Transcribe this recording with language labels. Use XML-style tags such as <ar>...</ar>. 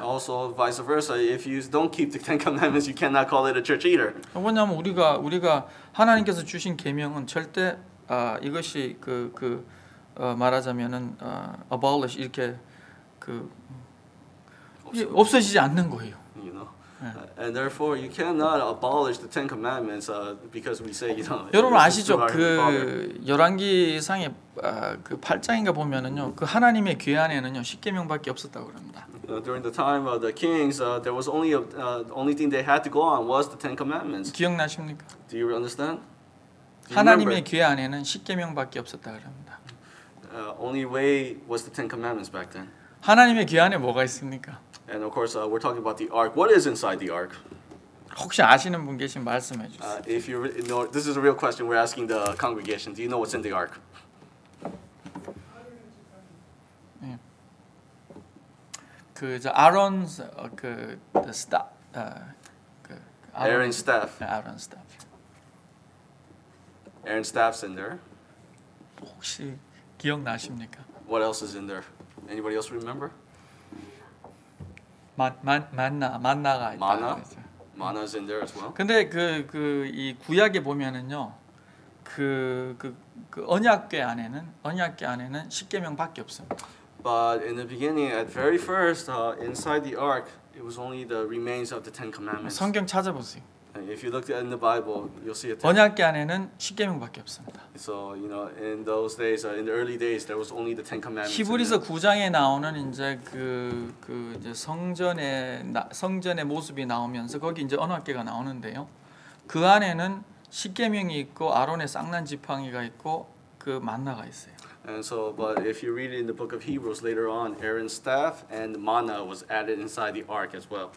<en>Also, vice versa, if you don't keep the Ten Commandments, you cannot call it a church either.</en> <ko>왜냐하면 우리가 하나님께서 주신 계명은 절대 이것이 말하자면은 abolish 이렇게 없어지지 않는 거예요.</ko> <en>You know, and therefore you cannot abolish the Ten Commandments because we say you know.</en> <ko>여러분 아시죠? 그 열왕기상에 그 8장인가 보면은요, 그 하나님의 궤 안에는요 십계명밖에 없었다고 합니다.</ko> <en>During the time of the kings, there was only only thing they had to go on was the Ten Commandments.</en> <ko>기억나십니까?</ko> <en>Do you understand?</en> <ko>하나님의 궤 안에는 십계명밖에 없었다고 합니다.</ko> <en>Only way was the Ten Commandments back then.</en> <ko>하나님의 궤 안에 뭐가 있습니까?</ko> <en>And of course, we're talking about the ark. What is inside the ark?</en> <ko>혹시 아시는 분 계시면 말씀해 주세요.</ko> <en>If you know, this is a real question we're asking the congregation. Do you know what's in the ark?</en> <ko>그 저 아론 그 스탑 그 아론 스탑. 아론 스탑.</ko> <en>Aaron's staff's in there.</en> <ko>혹시 기억나십니까?</ko> <en>What else is in there? Anybody else remember?</en> <ko>만나가 있다. 만나?</ko> <en>만나's in there as well.</en> <ko>근데 그 이 구약에 보면은요. 그 언약궤 안에는 십계명밖에 없습니다.</ko> <en>But in the beginning at very first inside the ark it was only the remains of the Ten Commandments.</en> <ko>성경 찾아보세요.</ko> <en>If you look in the Bible, you'll see it.</en> <ko>언약궤 안에는 십계명밖에 없습니다.</ko> <en>So you know, in those days, in the early days, there was only the Ten Commandments.</en> <ko>히브리서 9장에 나오는 이제 이제 성전의 모습이 나오면서 거기 이제 언약궤가 나오는데요. 그 안에는 십계명이 있고 아론의 쌍난 지팡이가 있고 그 만나가 있어요.</ko> <en>And so, but if you read it in the book of Hebrews later on, Aaron's staff and manna was added inside the ark as well.</en>